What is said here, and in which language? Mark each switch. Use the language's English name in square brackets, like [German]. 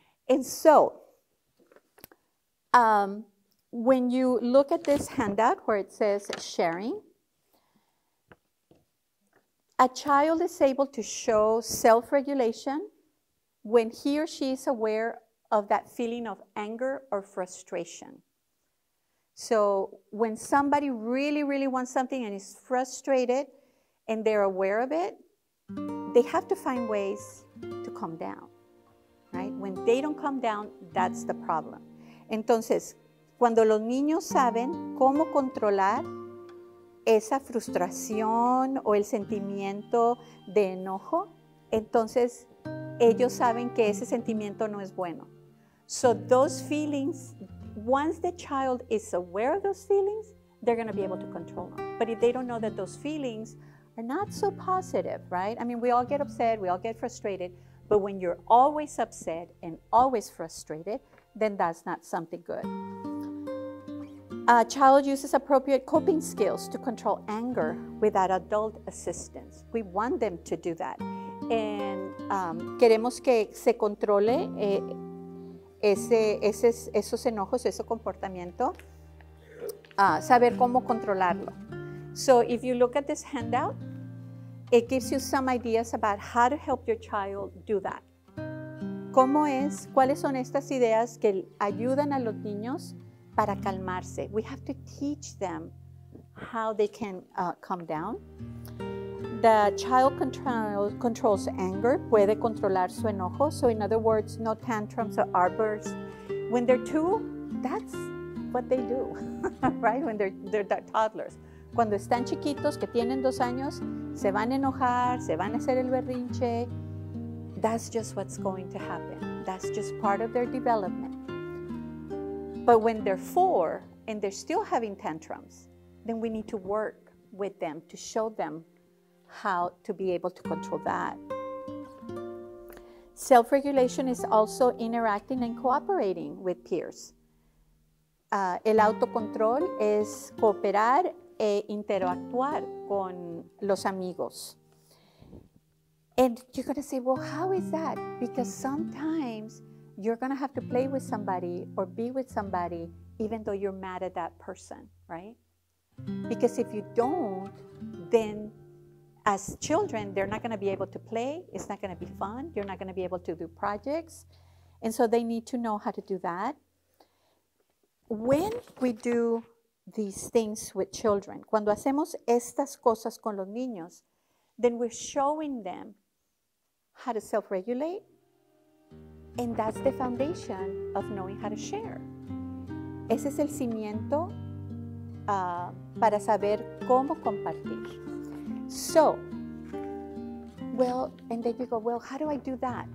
[English] And so, when you look at this handout where it says sharing, a child is able to show self-regulation when he or she is aware of that feeling of anger or frustration. So when somebody really, really wants something and is frustrated and they're aware of it, they have to find ways to calm down, right? When they don't calm down, that's the problem. [Spanish] Entonces, cuando los niños saben cómo controlar esa frustración o el sentimiento de enojo, entonces ellos saben que ese sentimiento no es bueno. [English] So those feelings, once the child is aware of those feelings, they're going to be able to control them. But if they don't know that those feelings are not so positive, right? I mean, we all get upset, we all get frustrated, but when you're always upset and always frustrated, then that's not something good. A child uses appropriate coping skills to control anger without adult assistance. We want them to do that. And [Spanish] queremos que se controle esos enojos, ese comportamiento, saber cómo controlarlo. [English] So if you look at this handout, it gives you some ideas about how to help your child do that. [Spanish] ¿Cómo es? ¿Cuáles son estas ideas que ayudan a los niños para calmarse? [English] We have to teach them how they can calm down. The child controls anger, [Spanish] puede controlar su enojo. [English] So in other words, no tantrums or outbursts. When they're two, that's what they do, right? When they're toddlers. [Spanish] Cuando están chiquitos, que tienen 2 años, se van a enojar, se van a hacer el berrinche. [English] That's just what's going to happen. That's just part of their development. But when they're 4 and they're still having tantrums, then we need to work with them to show them how to be able to control that. Self-regulation is also interacting and cooperating with peers. [Spanish] El autocontrol es cooperar e interactuar con los amigos. [English] And you're going to say, well, how is that? Because sometimes you're going to have to play with somebody or be with somebody even though you're mad at that person, right? Because if you don't, then as children, they're not going to be able to play. It's not going to be fun. You're not going to be able to do projects. And so they need to know how to do that. When we do these things with children, [Spanish] cuando hacemos estas cosas con los niños, [English] then we're showing them how to self-regulate, and that's the foundation of knowing how to share. [Spanish] Ese es el cimiento para saber cómo compartir. [English] So, well, and then you go, well, how do I do that?